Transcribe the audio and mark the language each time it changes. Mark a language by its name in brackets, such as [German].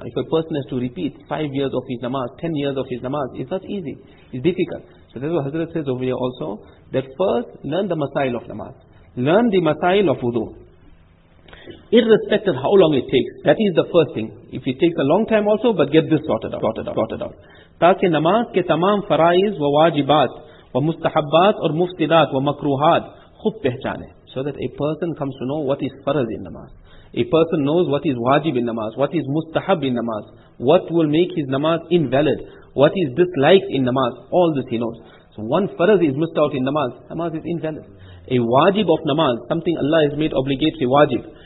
[English] If a person has to repeat 5 years of his namaz, 10 years of his namaz, it's not easy, it's difficult. So that's what Hazrat says over here also, that first learn the masail of namaz. Learn the masail of wudu. Irrespective of how long it takes, that is the first thing. If it takes a long time also, but get this sorted out. [Urdu] تاکہ نماز کے تمام فرائض و واجبات و مستحبات اور مفتدات و مکروحات خوب پہچانے. [English] So that a person comes to know what is farz in namaz. A person knows what is wajib in namaz, what is mustahab in namaz, what will make his namaz invalid, what is disliked in namaz, all this he knows. So one farz is missed out in namaz. Namaz is invalid. A wajib of namaz, something Allah has made obligatory, wajib.